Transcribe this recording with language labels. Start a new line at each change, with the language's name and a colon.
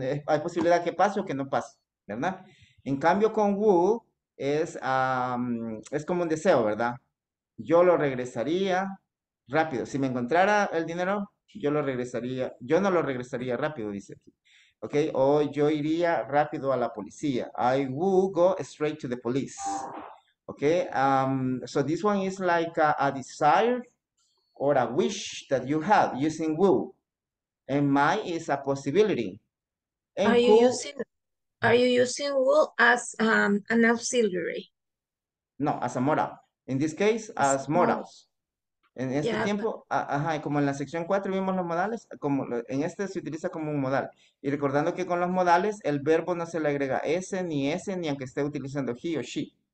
Spanish: Hay posibilidad que pase o que no pase, ¿verdad? En cambio, con would, es como un deseo, ¿verdad? Yo lo regresaría rápido. Si me encontrara el dinero, yo lo regresaría. Yo no lo regresaría rápido, dice aquí. Okay, o yo iría rápido a la policía.
English: I will go straight to the police. Okay, so this one is like a desire or a wish that you have using will. And my is a possibility. And are you using will as an auxiliary? No, as a moral. In this case, as morals.
Spanish: En este tiempo, como en la sección 4 vimos los modales, como en este se utiliza como un modal. Y recordando que con los modales, el verbo no se le agrega S, ni aunque esté utilizando he o she.